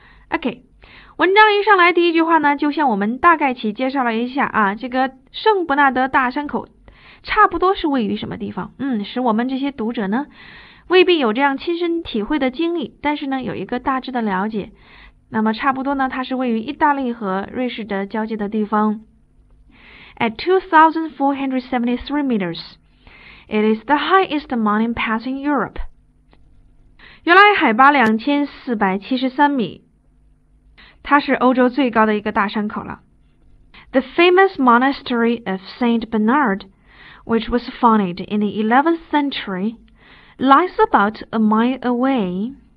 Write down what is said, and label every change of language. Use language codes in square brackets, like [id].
[zh] OK, 文章一上来第一句话呢就像我们大概其介绍了一下啊，这个圣伯纳德大山口差不多是位于什么地方，嗯，使我们这些读者呢未必有这样亲身体会的经历，但是呢有一个大致的了解。那么差不多呢它是位于意大利和瑞士的交界的地方。 [en] At 2473 meters, it is the highest mountain pass in Europe. [zh] 原来海拔2473米，它是欧洲最高的一个大山口了。 [en] The famous monastery of Saint Bernard, which was founded in the 11th century,Lies about a mile away.